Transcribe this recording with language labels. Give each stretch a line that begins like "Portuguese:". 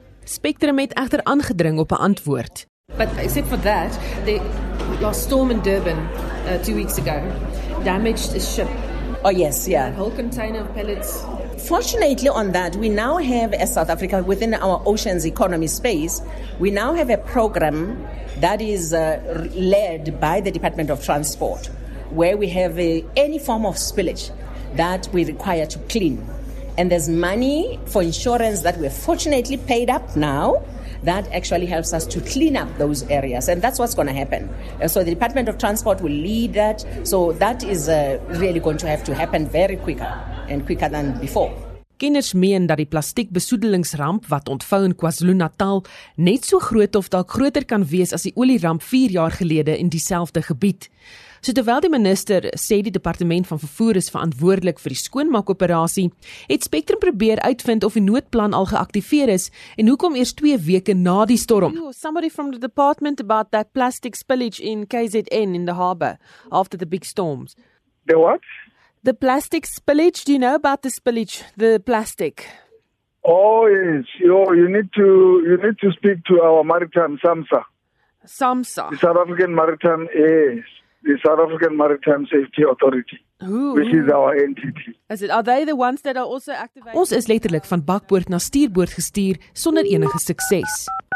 Afrikaans: Spectrum het echter aangedring op 'n antwoord.
English: But except for that, the last storm in Durban 2 weeks ago damaged a ship. Oh yes, yeah. A whole container of pellets. Fortunately on that, we now have a South Africa within our oceans economy space. We now have a program that is led by the Department of Transport, where we have any form of spillage that we require to clean. And there's money for insurance that we're fortunately paid up now that actually helps us to clean up those areas. And that's what's going to happen. So the Department of Transport will lead that. So that is really going to have to happen very quicker and quicker than before.
Afrikaans: Kenners meen dat die plastiek besoedelingsramp wat ontvou in KwaZulu-Natal net so groot of dalk groter kan wees as die olieramp 4 jaar gelede in dieselfde gebied. So terwyl die minister sê die departement van vervoer is verantwoordelik vir die skoonmaakoperasie, het Spectrum probeer uitvind of die noodplan al geaktiveer is en hoekom eers 2 weke na die storm.
English: Somebody from the department about that plastic spillage in KZN in the harbour after the big storms. The what? The plastic spillage, do you know about the spillage, the plastic? Oh, yes. You need to speak to our maritime, SAMSA. SAMSA? The South African Maritime, yes. The South African Maritime Safety Authority, which is our entity. Is it, are they the ones that are also activated?
Afrikaans: Ons is letterlijk van bakboord na stuurboord gestuur, sonder enige succes.